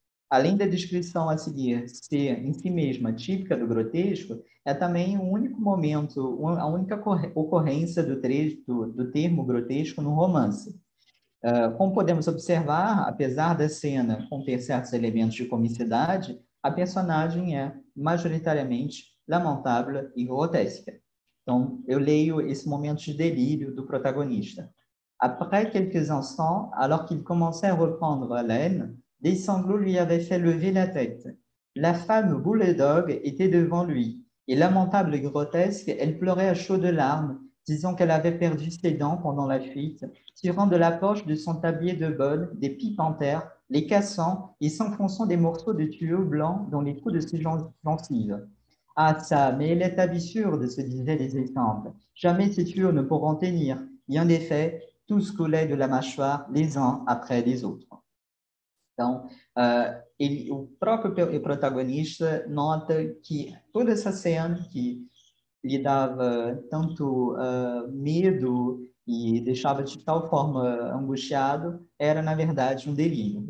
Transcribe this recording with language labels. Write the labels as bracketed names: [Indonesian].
[Portuguese] Além da descrição a seguir ser em si mesma típica do grotesco, é também o único momento, a única ocorrência do termo grotesco no romance. Como podemos observar, apesar da cena conter certos elementos de comicidade, a personagem é majoritariamente lamentável e grotesca. Então, eu leio esse momento de delírio do protagonista. [French] Après quelques instants, alors qu'il commençait à reprendre haleine, des sanglots lui avaient fait lever la tête. La femme bulldog était devant lui, et lamentable et grotesque, elle pleurait à chaudes larmes, disant qu'elle avait perdu ses dents pendant la fuite, tirant de la poche de son tablier de bol des pipes en terre, les cassant et s'enfonçant des morceaux de tuyaux blancs dans les trous de ses gencives. « Ah ça, mais elle est absurde !» se disaient les estampes. « Jamais ces tuyaux ne pourront tenir. » Et en effet, tout se coulait de la mâchoire les uns après les autres. [Portuguese] Então, o próprio protagonista nota que toda essa cena que lhe dava tanto medo e deixava de tal forma angustiado, era, na verdade, um delírio.